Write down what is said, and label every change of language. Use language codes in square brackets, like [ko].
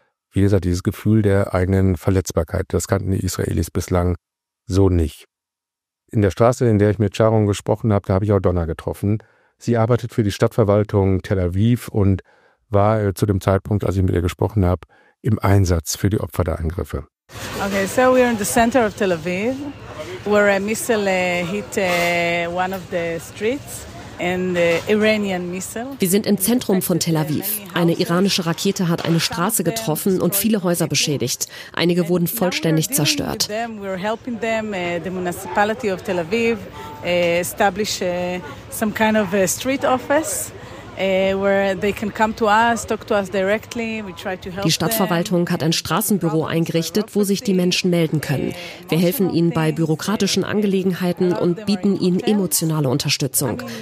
[de] Wie gesagt, dieses Gefühl der eigenen Verletzbarkeit, das kannten die Israelis bislang so nicht. In der Straße, in der ich mit Sharon gesprochen habe, da habe ich auch Donna getroffen. Sie arbeitet für die Stadtverwaltung Tel Aviv und war zu dem Zeitpunkt, als ich mit ihr gesprochen habe, im Einsatz für die Opfer der Angriffe. [en] Okay, so we are in the center of Tel Aviv, where a missile hit one of the streets, an Iranian missile. [de] Wir sind im Zentrum von Tel Aviv. Eine iranische Rakete hat eine Straße getroffen und viele Häuser beschädigt. Einige wurden vollständig zerstört. [en] We're helping them, the municipality of Tel Aviv, establish some kind of a street office. [de] Die Stadtverwaltung hat ein Straßenbüro eingerichtet, wo sich die Menschen melden können. Wir helfen ihnen bei bürokratischen Angelegenheiten und bieten ihnen emotionale Unterstützung.